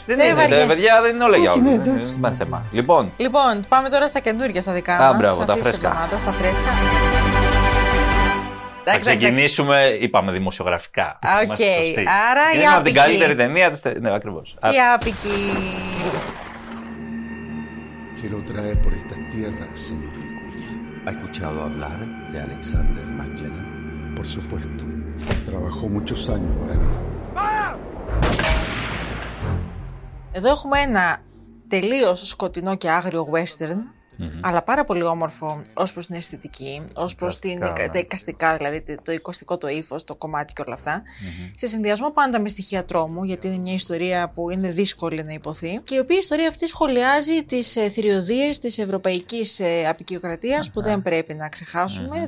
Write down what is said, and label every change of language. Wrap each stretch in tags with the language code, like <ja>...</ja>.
<el>Δεν είναι ρε, παιδιά, δεν είναι όλα για όλα. Είναι θέμα. Λοιπόν. Λοιπόν, πάμε τώρα στα καινούργια, στα δικά μας. Μπράβο, τα φρέσκα. Στα φρέσκα. Θα ξεκινήσουμε, είπαμε, δημοσιογραφικά. Οκ. Άρα η Άπικη. Είναι από την καλύτερη ταινία της. Ναι, ακριβώς. Η Άπικη.</el> <es>Que lo trae por esta tierra, señor Vicuña. ¿Ha escuchado hablar de Alexander McLennan? Por supuesto. Trabajó muchos años para mí.</es> <el>Εδώ έχουμε ένα τελείως σκοτεινό και άγριο western, mm-hmm. αλλά πάρα πολύ όμορφο ως προς την αισθητική, ως προς την, τα εικαστικά, δηλαδή το εικοστικό, το ύφος, το κομμάτι και όλα αυτά. Mm-hmm. Σε συνδυασμό πάντα με στοιχεία τρόμου, γιατί είναι μια ιστορία που είναι δύσκολη να υποθεί και η οποία ιστορία αυτή σχολιάζει τις θηριωδίες της ευρωπαϊκής αποικιοκρατίας mm-hmm. που δεν πρέπει να ξεχάσουμε. Mm-hmm.</el>